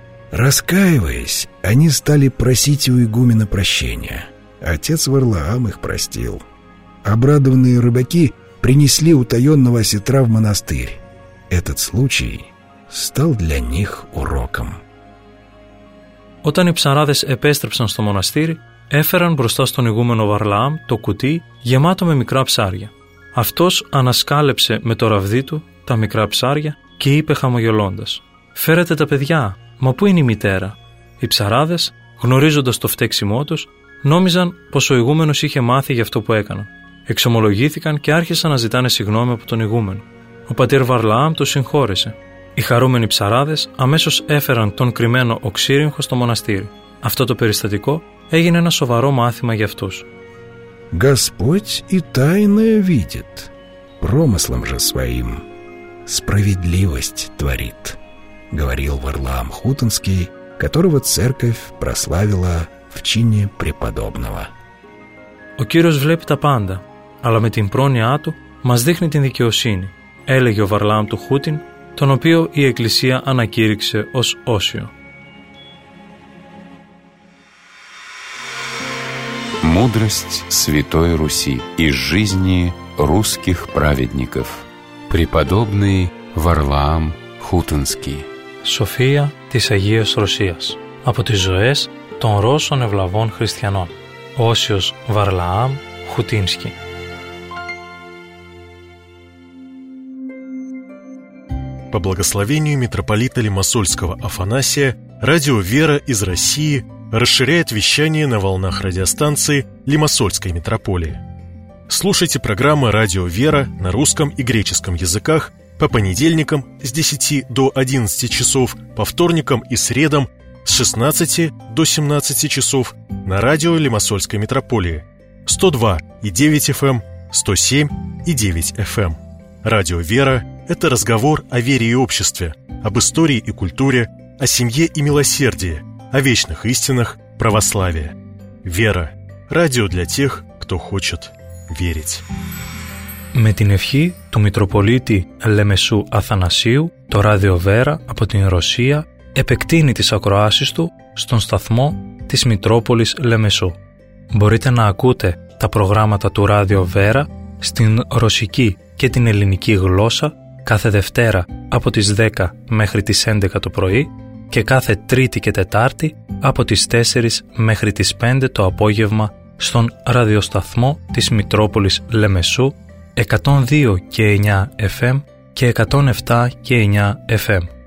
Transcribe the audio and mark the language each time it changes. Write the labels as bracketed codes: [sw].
[ru] Раскаиваясь, они стали просить у игумена прощения. Отец Варлаам их простил. Обрадованные рыбаки принесли утаенного осетра в монастырь. Этот случай стал для них уроком. [el] Όταν οι ψαράδες επέστρεψαν στο μοναστήρι, έφεραν μπροστά στον ηγούμενο Βαρλαάμ το κουτί γεμάτο με μικρά ψάρια. Αυτός ανασκάλεψε με το ραβδί του τα μικρά ψάρια και είπε χαμογελώντας: «Φέρετε τα παιδιά, μα πού είναι η μητέρα?» Οι ψαράδες, γνωρίζοντας το φταίξιμό τους, νόμιζαν πως ο ηγούμενος είχε μάθει για αυτό που έκαναν. Εξομολογήθηκαν και άρχισαν να ζητάνε συγγνώμη από τον ηγούμενο. Ο πατήρ Βαρλαάμ τους συγχώρεσε. Οι χαρούμενοι ψαράδες αμέσως έφεραν τον κρυμμένο οξύριγχο στο μοναστήρι. Αυτό το περιστατικό έγινε ένα σοβαρό μάθημα για αυτούς. [ru] Господь и тайное видит, промыслом же своим справедливость творит, говорил Варлаам Хутонский, которого церковь прославила в чине преподобного. [el] Ο Κύριος βλέπει τα πάντα, αλλά με την πρόνοιά του μας δείχνει την δικαιοσύνη, έλεγε ο Βαρλαάμ του Χούτιν, τον οποίο η Εκκλησία ανακήρυξε ως όσιο. [ru] Мудрость Святой Руси из жизни русских праведников. Преподобный Варлаам Хутонский. [el] София της Αγίας Ρωσίας. Από τις ζωές των Ρώσων ευλαβών χριστιανών. Όσιος Βαρλαάμ Χουτίνσκι. [ru] По благословению митрополита Лимассольского Афанасия, радио «Вера» из России расширяет вещание на волнах радиостанции Лимассольской митрополии. Слушайте программы «Радио Вера» на русском и греческом языках по понедельникам с 10 до 11 часов, по вторникам и средам с 16 до 17 часов на радио Лимассольской митрополии 102.9 FM, 107.9 FM. «Радио Вера» — это разговор о вере и обществе, об истории и культуре, о семье и милосердии, о вечных истинах православия. Вера. Радио для тех, кто хочет верить. [el] Με την ευχή του Μητροπολίτη Λεμεσού Αθανασίου, το Ράδιο Βέρα από την Ρωσία επεκτείνει τις ακροάσεις του στον σταθμό της Μητρόπολης Λεμεσού. Μπορείτε να ακούτε τα προγράμματα του Ράδιο Βέρα στην ρωσική και την ελληνική γλώσσα κάθε Δευτέρα από τις 10 μέχρι τις 11 το πρωί και κάθε Τρίτη και Τετάρτη από τις 4 μέχρι τις 5 το απόγευμα στον ραδιοσταθμό της Μητρόπολης Λεμεσού 102 και 9 FM και 107 και 9 FM.